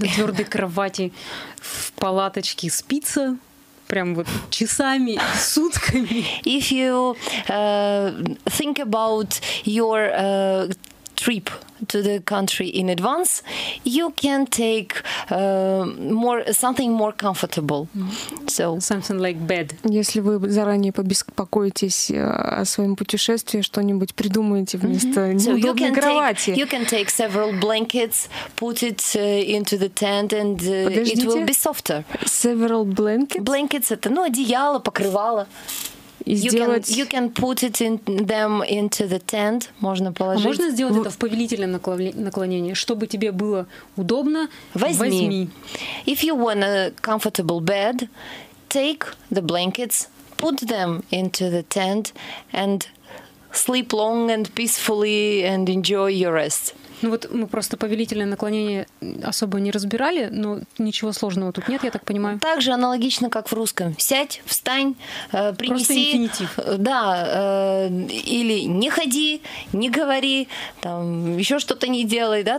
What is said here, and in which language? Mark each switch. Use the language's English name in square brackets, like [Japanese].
[Russian] На твердой кровати в палаточке спится прям вот часами, сутками. [English] If you think about your trip to the country in advance, you can take something more comfortable. So something like bed. [Russian] Если вы заранее побеспокоитесь о своем путешествии, что-нибудь придумаете вместо неудобной кровати. [English] You can take several blankets, put it into the tent, and it will be softer. Several blankets. [Russian] Blankets — это, ну, одеяло, покрывало. [English] You can put it in them into the tent. [Russian] Можно положить. А можно сделать это в повелительном наклонении, чтобы тебе было удобно. Возьми. [English] If you want a comfortable bed, take the blankets, put them into the tent, and sleep long and peacefully and enjoy your rest. [Russian] Ну вот мы просто повелительное наклонение особо не разбирали, но ничего сложного тут нет, я так понимаю. Так же аналогично, как в русском. Сядь, встань, принеси. Просто инфинитив. Да, или не ходи, не говори, там еще что-то не делай, да.